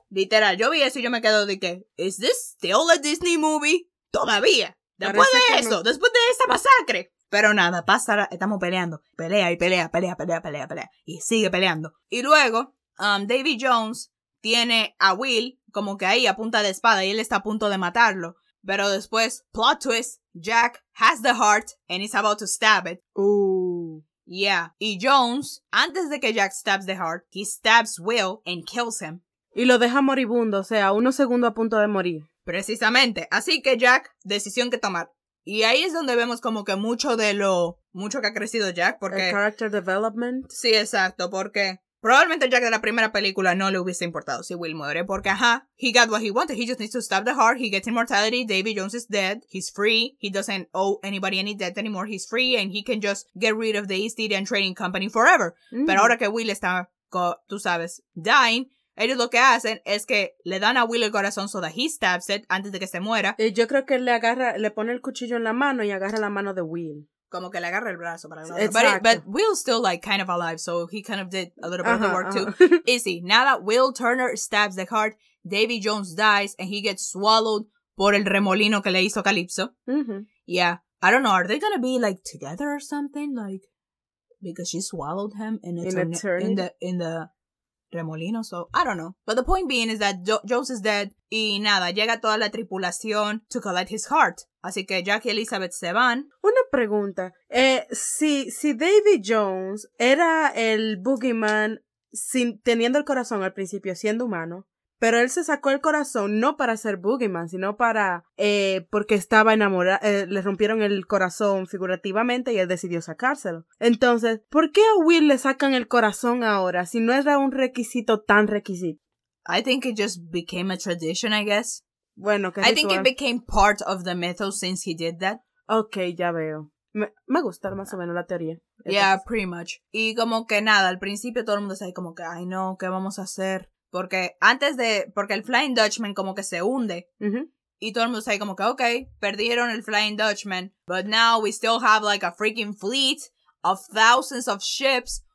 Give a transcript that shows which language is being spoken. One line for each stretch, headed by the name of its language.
Spanish: Literal, yo vi eso y yo me quedo de que,
English: ¿is this still a Disney movie?
Spanish: Todavía. Después de esa masacre. Pero nada, estamos peleando. Pelea. Y sigue peleando. Y luego, Davy Jones tiene a Will como que ahí a punta de espada y él está a punto de matarlo. Pero después,
English: plot twist, Jack has the heart and is about to stab it. Ooh. Yeah.
Spanish: Y Jones, antes de que
English: Jack stabs the heart, he stabs Will and kills him.
Spanish: Y lo deja moribundo, o sea, unos segundos a punto de morir. Precisamente. Así que Jack, decisión que tomar. Y ahí es donde vemos como que mucho que ha crecido Jack, porque... El character development. Sí, exacto, porque probablemente Jack de la primera película no le hubiese importado si Will muere, porque ajá,
English: he got what he wanted, he just needs to stop the heart, he gets immortality, Davy Jones is dead, he's free, he doesn't owe anybody any debt anymore, he's free, and he can just get rid of the East Indian Trading Company forever. Mm.
Spanish: Pero ahora que Will está, tú sabes,
English: dying,
Spanish: Ellos lo que hacen es que le dan a Will el corazón
English: so that he stabs it
Spanish: antes de que se muera. Y yo creo que él le agarra, le pone el cuchillo en la mano y agarra la mano de Will. Como que le agarra el brazo para el otro. Exacto.
English: But Will's still like kind of alive, so he kind of did a little bit of the work too. Easy. Now that Will Turner stabs the heart, Davy Jones dies and he gets swallowed
Spanish: por el remolino que le hizo Calypso. Mm-hmm.
English: Yeah. I don't know. Are they going to be like together or something? Like, because she swallowed him in the remolino. So, I don't know. But the point being is that Jones is dead.
Spanish: Y nada, llega toda la tripulación
English: to collect his heart.
Spanish: Así que Jack y Elizabeth se van. Una pregunta. Si Davy Jones era el boogeyman teniendo el corazón al principio siendo humano, pero él se sacó el corazón no para ser boogeyman, sino para porque estaba enamorado, le rompieron el corazón figurativamente y él decidió sacárselo. Entonces, ¿por qué a Will le sacan el corazón ahora si no era un requisito tan requisito?
English: I think it just became a tradition, I guess.
Spanish: Bueno, ¿qué
English: es eso? I think it became part of the mythos since he did that.
Spanish: Okay, ya veo. Me gusta más o menos la teoría.
English: Yeah, entonces, pretty much.
Spanish: Y como que nada, al principio todo el mundo está ahí como que, ay no, ¿qué vamos a hacer? Porque el Flying Dutchman como que se hunde. Uh-huh. Y todo el mundo está ahí como que, okay, perdieron el Flying Dutchman.
English: But now we still have like a freaking fleet of thousands of ships.